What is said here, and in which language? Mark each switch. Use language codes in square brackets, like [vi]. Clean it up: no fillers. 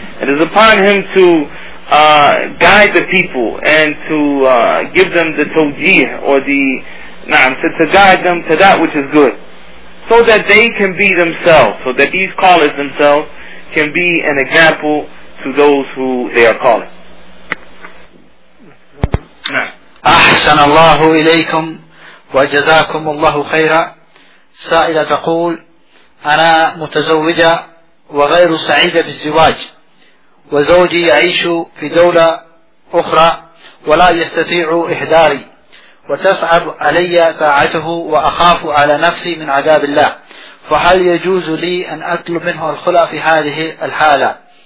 [en] It is upon him to guide the people and to give them the tawjih, or the to guide them to that which is good, so that they can be themselves, so that these callers themselves can be an example to those who they are calling. [ar] أحسن الله إليكم وجزاكم الله خيرا. سائلة تقول: أنا متزوجة وغير سعيدة بالزواج، وزوجي يعيش في دولة أخرى ولا يستطيع إحداري، وتصعب علي طاعته وأخاف على نفسي من عذاب الله، فهل يجوز لي أن أطلب منه الخلع في هذه الحالة؟